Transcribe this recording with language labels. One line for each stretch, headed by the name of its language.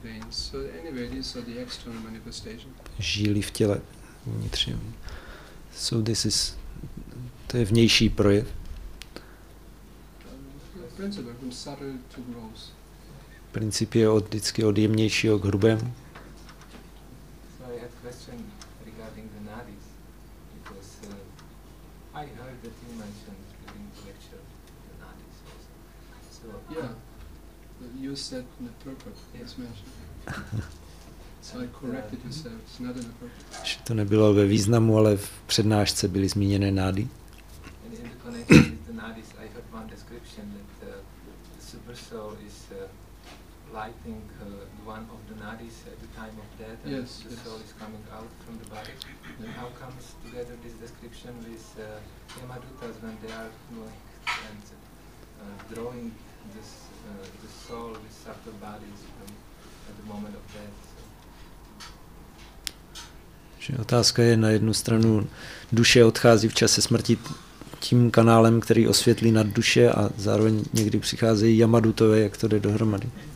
English: So anyway, these are the external manifestations.
Czech: Žíly v těle vnitřním.
English: So this is,
Czech: to je vnější projev.
English: Principle from subtle to gross.
Czech: Princip je od vždycky od jemnějšího k hrubému.
English: So I had a question regarding the nadis, because I heard that you mentioned in the lecture the nadis also. So yeah, you said in the purport, yes, mentioned. So I corrected yourself. It's not in the purport.
Czech: Že to nebylo ve významu, ale v přednášce byly zmíněné nády.
English: And in the connection with the nadis, I heard one description that the super soul is lighting one of the nadis at the time of death, and yes, the soul is coming out from the body. Then how comes together this description with Yamadutas when they are doing and drawing this the soul with subtle bodies from at the moment of death.
Czech: Otázka je, na jednu stranu duše odchází v čase smrti tím kanálem, který osvětlí nad duše, a zároveň někdy přicházejí Yamadutové, jak to jde dohromady.